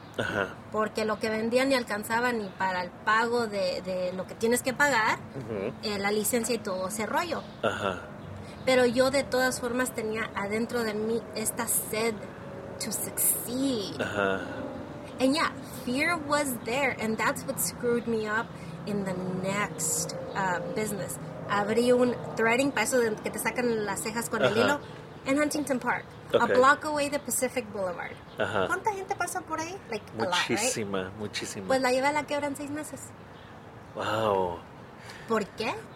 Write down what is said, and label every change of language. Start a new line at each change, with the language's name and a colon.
Spanish: Ajá. Porque lo que vendía ni alcanzaba ni para el pago de lo que tienes que pagar, uh-huh. La licencia y todo ese rollo. Ajá. Pero yo de todas formas tenía adentro de mí esta sed
English: to succeed. Uh-huh. And yeah, fear was there. And that's what screwed me up in the next business.
Spanish: Abrí un threading, para eso de que te sacan las cejas con uh-huh. el hilo, en Huntington Park.
English: Okay. A block away the Pacific Boulevard. Uh-huh.
Spanish: ¿Cuánta gente pasa por ahí? Like, muchísima,
English: a lot, right?
Spanish: Muchísima. Pues la llevé a la quiebra en 6 meses. Wow. ¿Por qué?